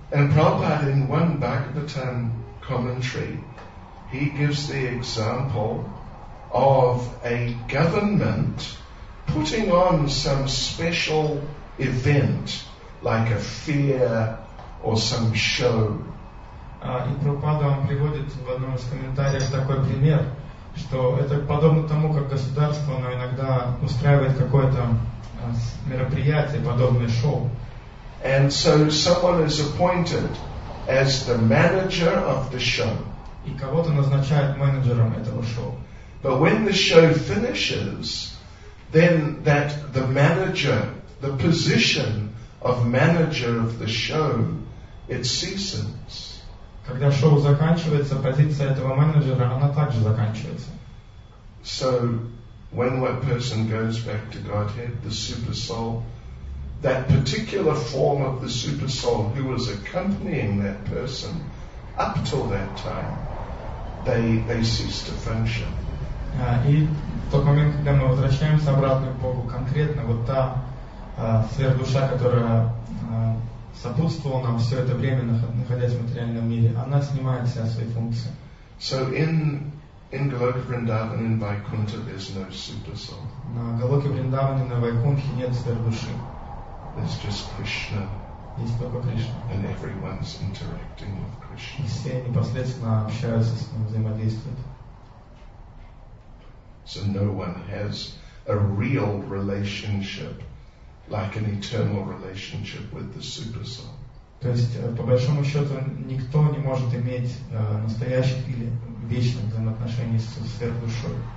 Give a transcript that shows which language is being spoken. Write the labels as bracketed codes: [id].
[en] And Prabhupada in one Bhagavatam commentary, he gives the example of a government putting on some special event, like a fair or some show. [ru] И Прабхупада он приводит в одном из комментариев такой пример, что это подобно тому, как государство, оно иногда устраивает какое-то мероприятие, подобное шоу. [en] And so someone is appointed as the manager of the show. [ru] И кого-то назначают менеджером этого шоу. [en] But when the show finishes, then that the manager, the position of manager of the show, it ceases. [ru] Когда шоу заканчивается, позиция этого менеджера, она также заканчивается. [en] So when one person goes back to Godhead, the super soul, that particular form of the super soul who was accompanying that person up till that time, they cease to function. [ru] И в тот момент, когда мы возвращаемся обратно к Богу, конкретно вот та сверхдуша, которая сопутствовала нам все это время, находясь в материальном мире, она снимает все свои функции. [en] So in Goloka Vrindavan in Vaikuntha there's no super soul. [ru] На Голоке Вриндаване, на Вайкунтхе нет сверхдуши. [en] There's just Krishna. [ru] Есть только Кришна. [en] And everyone's interacting with Krishna. [ru] И все непосредственно общаются с ним, взаимодействуют. [en] So no one has a real relationship, like an eternal relationship with the super soul. [ru] То есть, по большому счету, никто не может иметь настоящих или вечных взаимоотношений со сверхдушой.